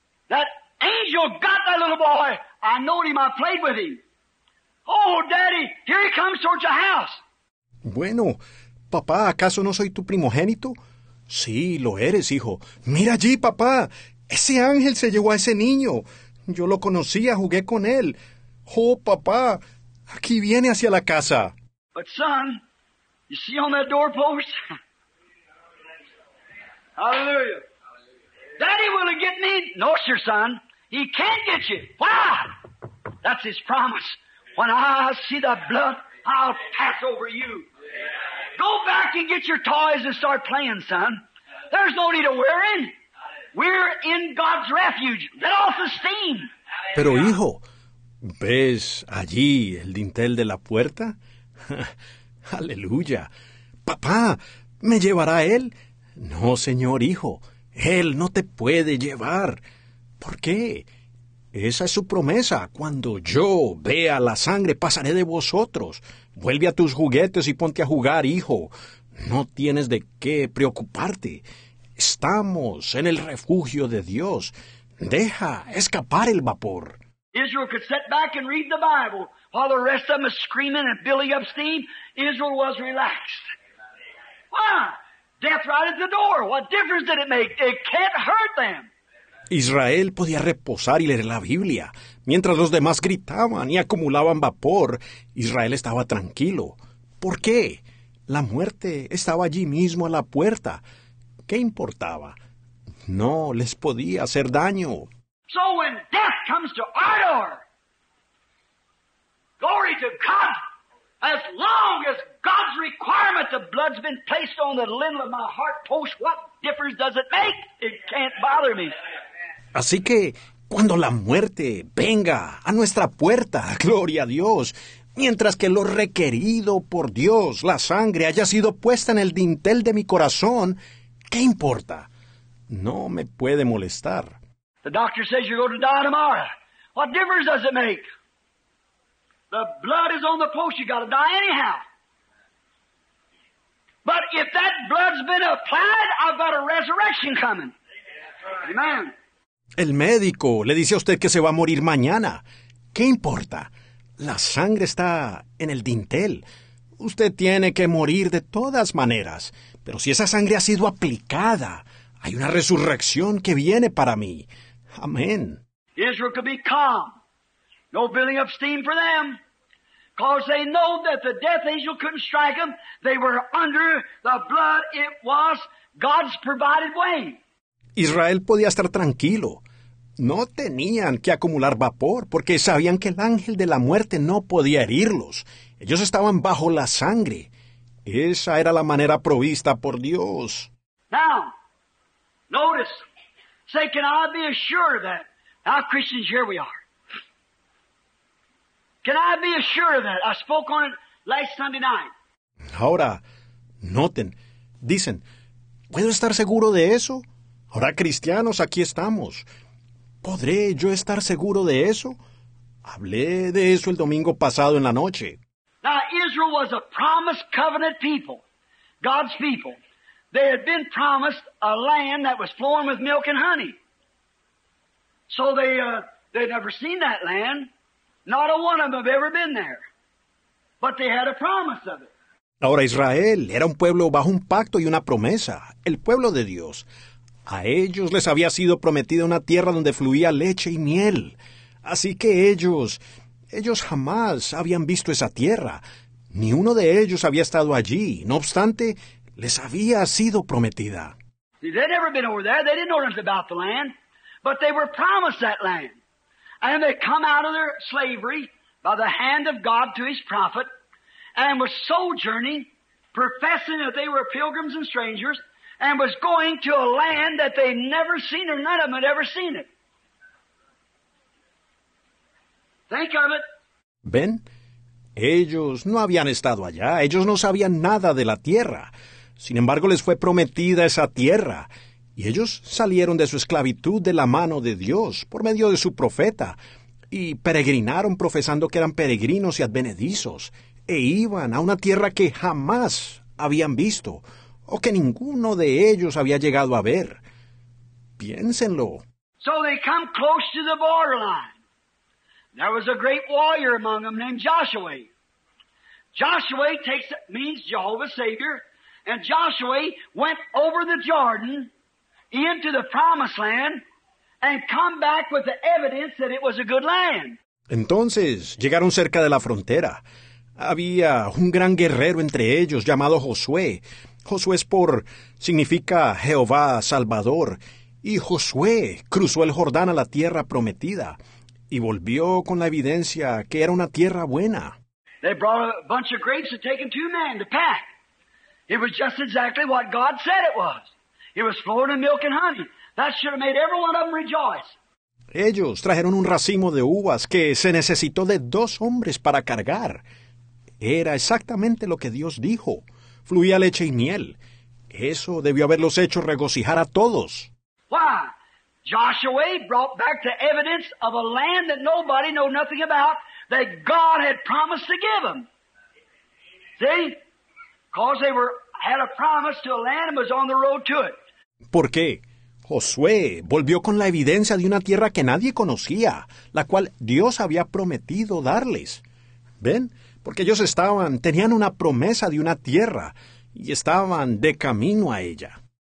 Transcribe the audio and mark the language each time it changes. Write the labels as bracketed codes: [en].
[en] That angel got that little boy. I know him, I played with him. Oh, Daddy, here he comes towards your house. [es] Bueno, papá, ¿acaso no soy tu primogénito? Sí, lo eres, hijo. Mira allí, papá. Ese ángel se llevó a ese niño. Yo lo conocía, jugué con él. Oh, papá, aquí viene hacia la casa. [en] But son, you see on that doorpost? Hallelujah. Daddy, will he get me? No, sir, son. He can't get you. Why? That's his promise. When I see the blood, I'll pass over you. Go back and get your toys and start playing, son. There's no need of worrying. We're in God's refuge. Let off the steam. [es] Pero, hijo, ¿ves allí el dintel de la puerta? Aleluya. Papá, ¿me llevará él? No, señor, hijo. Él no te puede llevar. ¿Por qué? Esa es su promesa. Cuando yo vea la sangre, pasaré de vosotros. Vuelve a tus juguetes y ponte a jugar, hijo. No tienes de qué preocuparte. Estamos en el refugio de Dios. Deja escapar el vapor. [en] Israel could sit back and read the Bible while the rest of them are screaming and building up steam. Israel was relaxed. Why? Death right at the door. What difference did it make? It can't hurt them. [es] Israel podía reposar y leer la Biblia. Mientras los demás gritaban y acumulaban vapor, Israel estaba tranquilo. ¿Por qué? La muerte estaba allí mismo a la puerta. ¿Qué importaba? No les podía hacer daño. [en] So when death comes to our door, glory to God, as long as God's requirement, the blood's been placed on the lintel of my heart post, what difference does it make? It can't bother me. [es] Así que, cuando la muerte venga a nuestra puerta, gloria a Dios, mientras que lo requerido por Dios, la sangre, haya sido puesta en el dintel de mi corazón, ¿qué importa? No me puede molestar. [en] The doctor says you're going to die tomorrow. What difference does it make? The blood is on the post. You got to die anyhow. But if that blood's been applied, I've got a resurrection coming. Amen. [es] El médico le dice a usted que se va a morir mañana. ¿Qué importa? La sangre está en el dintel. Usted tiene que morir de todas maneras. Pero si esa sangre ha sido aplicada, hay una resurrección que viene para mí. Amén. [en] Israel could be calm. No building up steam for them. Because they know that the death angel couldn't strike them. They were under the blood. It was God's provided way. [es] Israel podía estar tranquilo. No tenían que acumular vapor porque sabían que el ángel de la muerte no podía herirlos. Ellos estaban bajo la sangre. Esa era la manera provista por Dios. [en] Now, notice. Say, can I be assured of that? Now, Christians, here we are. Can I be assured of that? I spoke on it last Sunday night. [es] Ahora, noten. Dicen, ¿puedo estar seguro de eso? Ahora, cristianos, aquí estamos. ¿Podré yo estar seguro de eso? Hablé de eso el domingo pasado en la noche. [en] Now, Israel was a promised covenant people, God's people. They had been promised a land that was flowing with milk and honey. So they'd never seen that land. Not a one of them have ever been there. But they had a promise of it. [es] Ahora, Israel era un pueblo bajo un pacto y una promesa, el pueblo de Dios. A ellos les había sido prometida una tierra donde fluía leche y miel. Así que ellos jamás habían visto esa tierra. Ni uno de ellos había estado allí. No obstante, les había sido prometida. [en] They'd never been over there. They didn't know anything about the land. But they were promised that land. And they come out of their slavery by the hand of God to his prophet and were sojourning, professing that they were pilgrims and strangers, and was going to a land that they'd never seen, or none of them had ever seen it. Think of it. [es] Ben, ellos no habían estado allá. Ellos no sabían nada de la tierra. Sin embargo, les fue prometida esa tierra. Y ellos salieron de su esclavitud de la mano de Dios, por medio de su profeta, y peregrinaron profesando que eran peregrinos y advenedizos, e iban a una tierra que jamás habían visto, o que ninguno de ellos había llegado a ver. Piénsenlo. [en] So they come close to the borderline. There was a great warrior among them named Joshua. Joshua means Jehovah's Savior, and Joshua went over the Jordan into the promised land and come back with the evidence that it was a good land. [es] Entonces, llegaron cerca de la frontera. Había un gran guerrero entre ellos llamado Josué. Josué significa Jehová Salvador. Y Josué cruzó el Jordán a la tierra prometida y volvió con la evidencia que era una tierra buena. [en] They brought a bunch of grapes and taken two men to pack. It was just exactly what God said it was. It was flowing in milk and honey. That should have made every one of them rejoice. [es] Ellos trajeron un racimo de uvas que se necesitó de dos hombres para cargar. Era exactamente lo que Dios dijo. Fluía leche y miel. Eso debió haberlos hecho regocijar a todos. [en] Why? Joshua brought back the evidence of a land that nobody knew nothing about that God had promised to give them. See? Because they were had a promise to a land and was on the road to it. [es] ¿Por qué? Josué volvió con la evidencia de una tierra que nadie conocía, la cual Dios había prometido darles. ¿Ven? Porque ellos tenían una promesa de una tierra y estaban de camino a ella.